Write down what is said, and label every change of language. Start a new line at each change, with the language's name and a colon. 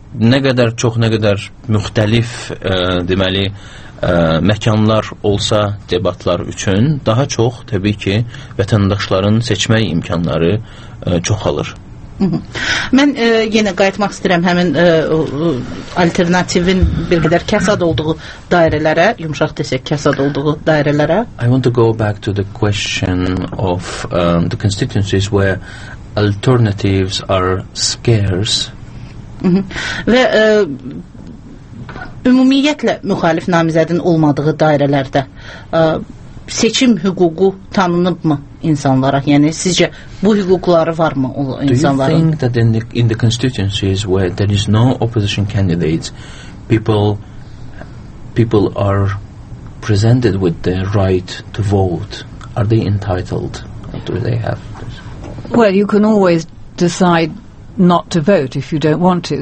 Azerbaijani: nə qədər çox, nə qədər müxtəlif deməli məkanlar olsa debatlar üçün, daha çox təbii ki vətəndaşların seçmək imkanları çoxalır. Mən yenə qayıtmaq istəyirəm həmin alternativin bir qədər kəsad olduğu dairələrə, yumşaq desək kəsad olduğu dairələrə.
English: I want to go back to the question of the constituencies where alternatives are scarce.
Azerbaijani: Və ümumiyyətlə müxalif namizədin olmadığı dairələrdə seçim hüququ tanınıb mı insanlara? Yəni sizcə bu hüquqları var mı o insanların?
English: Do you think that in the constituencies where there is no opposition candidates, people are presented with the right to vote? Are they entitled? Do they have this? Well, you can always decide not to vote if you don't want to.